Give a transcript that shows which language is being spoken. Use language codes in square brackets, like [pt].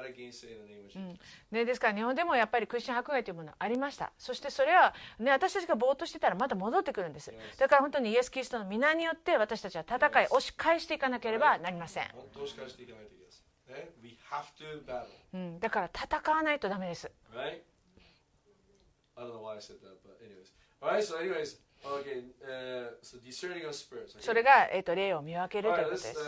[ja] ですから日本でもやっぱりクリスチャン迫害というものありました。そしてそれは、ね、私たちがぼーっとしてたらまた戻ってくるんです。だから本当にイエス・キリストの御名によって私たちは戦い押し返していかなければなりません。押し返していかないといけません。 [en] We have to battle. [ja] だから戦わないとダメです。 [en] Right? I don't know why I said that, but anyways. Alright, so anyways. Okay, so discerning of spirits, okay? [ja] それが、霊を見分けるということです。